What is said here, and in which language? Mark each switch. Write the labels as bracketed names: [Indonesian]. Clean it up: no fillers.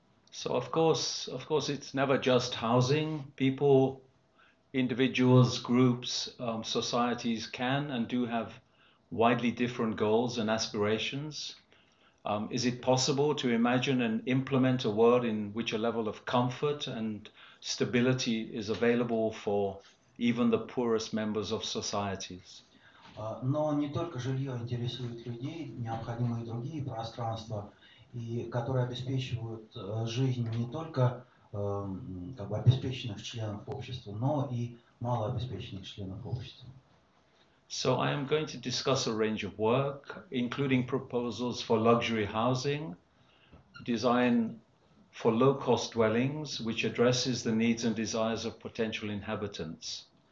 [English] So of course, it's never just housing. People, individuals, groups, societies can and do have widely different goals and aspirations. Is it possible to imagine and implement a world in which a level of comfort and stability is available for even the poorest members of societies? [Russian] Но не только жилье интересует людей, необходимы и другие пространства, и которые обеспечивают жизнь не только как бы обеспеченных членов общества, но и малообеспеченных членов общества. [English] So I am going to discuss a range of work, including proposals for luxury housing, design for low-cost dwellings, which addresses the needs and desires of potential inhabitants.